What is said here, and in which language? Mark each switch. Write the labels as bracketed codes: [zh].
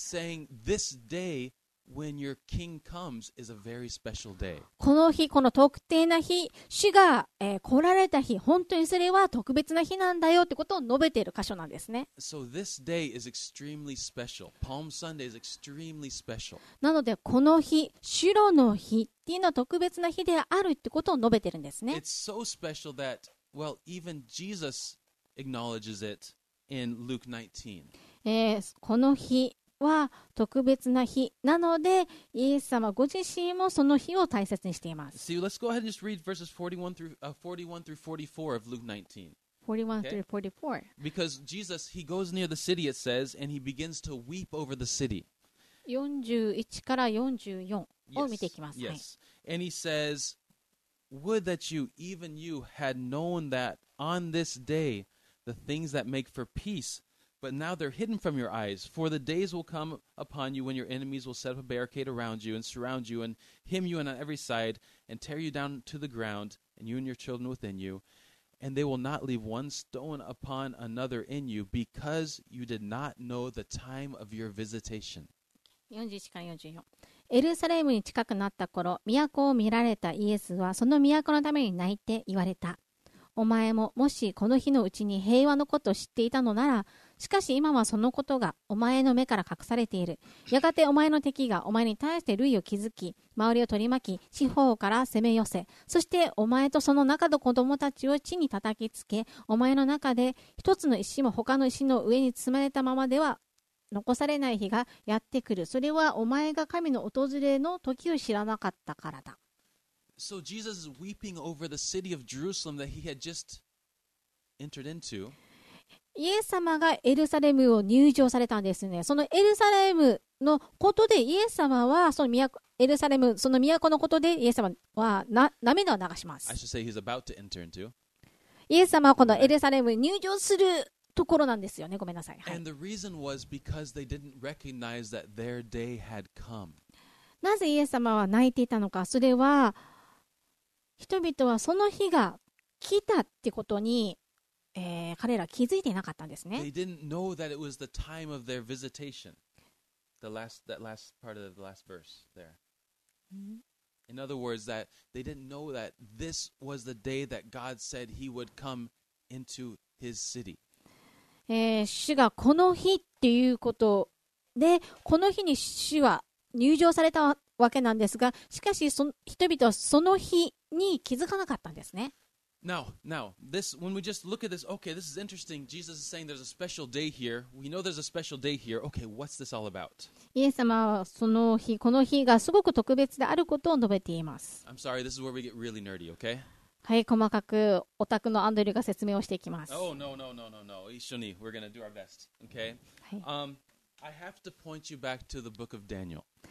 [en] It's saying this day when your king comes is a very special day. [ja] この日、この特定な日、主が、来られた日、本当にそれは特別な日なんだよってことを述べている箇所なんですね。 [en] So this day is extremely special. Palm Sunday is extremely special. [ja] なので、この日、シロの日っていうのは特別な日であるってことを述べているんですね。 [en] It's so special that, well, even Jesus acknowledges it in Luke 19. [ja] この日は特別な日なのでイエス様ご自身もその日を大切にしています。 [en] See, let's go ahead and just read verses 41 through 44 of Luke 19. 41 through 44. Because Jesus, he goes near the city, it says, and he begins to weep over the city. [ja] 41から44を見ていきます。 [en] Yes. And he says, Would that you, even you, had known that on this day the things that make for peace. But now they're hidden from your eyes. For the days will come upon you when your enemies will set up a barricade around you and surround you and hem you in on every side and tear you down to the ground and you and your children within you. And they will not leave one stone upon another in you because you did not know the time of your visitation. [ja] 41から44。エルサレムに近くなった頃、都を見られたイエスはその都のために泣いて言われた。お前ももしこの日のうちに平和のことを知っていたのなら、しかし今はそのことがお前の目から隠されている。やがてお前の敵がお前に対して類を築き、周りを取り巻き、四方から攻め寄せ、そしてお前とその中の子供たちを地に叩きつけ、お前の中で一つの石も他の石の上に積まれたままでは残されない日がやってくる。それはお前が神の訪れの時を知らなかったからだ。 [en] So Jesus is weeping over the city of Jerusalem that he had just entered into. [ja] イエス様がエルサレムを入城されたんですね。そのエルサレムのことでイエス様はその都、エルサレム、その都のことでイエス様は涙を流します。 [en] I should say he's about to enter into. [ja] イエス様はこのエルサレムに入城するところなんですよね。ごめんなさい。 [en] And the reason was because they didn't recognize that their day had come. [ja] なぜイエス様は泣いていたのか。それは人々はその日が来たってことに、彼ら気づいていなかったんですね。 [en] They didn't know that it was the time of their visitation. That last part of the last verse there. In other words, that they didn't know that this was the day that God said he would come into his city. [ja] 主がこの日っていうことで、この日に主は入場されたわけなんですが、しかし人々はその日に気づかなかったんですね。 [en] Now, this, when we just look at this, okay, this is interesting. Jesus is saying there's a special day here. We know there's a special day here. Okay, what's this all about? [ja] イエス様はその日、この日がすごく特別であることを述べています。 [en] I'm sorry, this is where we get really nerdy, okay? [ja] はい、細かくオタクのアンドリューが説明をしていきます。 [en] Oh, no. 一緒に、we're gonna do our best, okay? [ja] はい。 [en] I have to point you back to the book of Daniel.